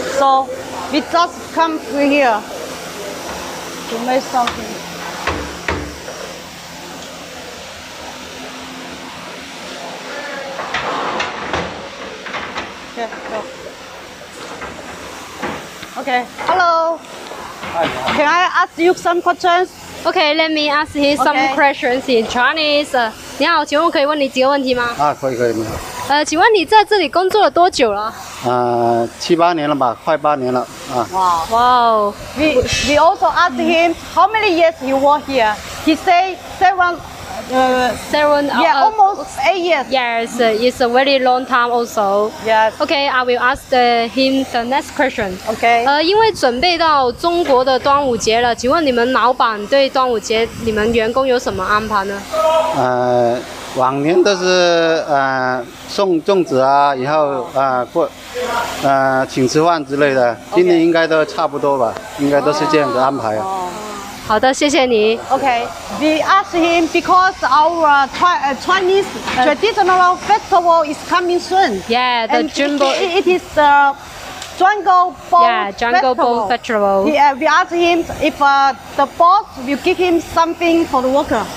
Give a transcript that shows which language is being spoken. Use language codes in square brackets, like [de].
[en] So we just come through here to make something. Okay, hello. Hi. Can I ask you some questions? Okay, let me ask you some questions in Chinese. [zh] 你好，请问可以问你几个问题吗？啊，可以可以。请问你在这里工作了多久了？七八年了吧，快八年了。哇、啊、哇、wow. [en] We also asked him how many years he work here. He say seven. Yeah, almost 8 years. Yes, it's a very long time also. Yes. Okay, I will ask him the next question. Okay. [zh] 因为准备到中国的端午节了，请问你们老板对端午节你们员工有什么安排呢？往年都是送粽子啊，然后请吃饭之类的。今年应该都差不多吧， [en] okay. [zh] 应该都是这样的安排、啊。好的，谢谢你。 [en] Okay, we asked him because our Chinese traditional festival is coming soon. Yeah, the Jumbo. It is the Jungle Boat Festival. Yeah, we asked him if the boss will give him something for the worker.